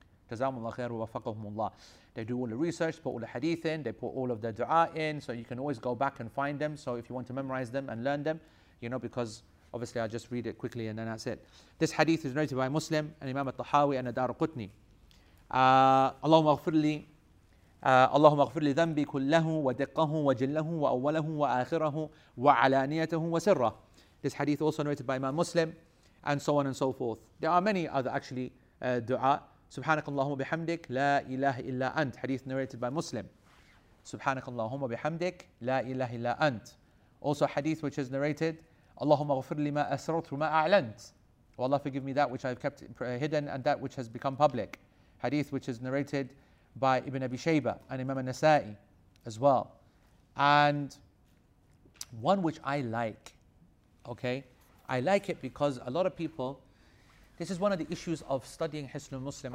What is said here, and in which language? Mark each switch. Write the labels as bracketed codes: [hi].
[ar] Jazamullah khair wa wafaqahumullah. [en] They do all the research, put all the hadith in, they put all of the du'a in, so you can always go back and find them. So if you want to memorize them and learn them, you know, because obviously I just read it quickly and then that's it. This hadith is narrated by Muslim and Imam al-Tahawi and Ad-Darqutni. [ar] Allahumma ghafirli. اللهم اغفر لي ذنبي كله ودقه وجله وأوله وآخره وعلانيته وسره. [en] This hadith also narrated by Imam Muslim, and so on and so forth. There are many other actually dua. [ar] سبحانك اللهم بحمدك لا إله إلا أنت. [en] Hadith narrated by Muslim. [ar] سبحانك اللهم بحمدك لا إله إلا أنت. [en] Also hadith which is narrated. [ar] اللهم اغفر لي ما أسررت وما أعلنت. [en] Oh Allah forgive me that which I've kept hidden and that which has become public. Hadith which is narrated by Ibn Abi Shayba and Imam al-Nasa'i as well. And one which I like, okay? I like it because a lot of people, this is one of the issues of studying Hisn al-Muslim.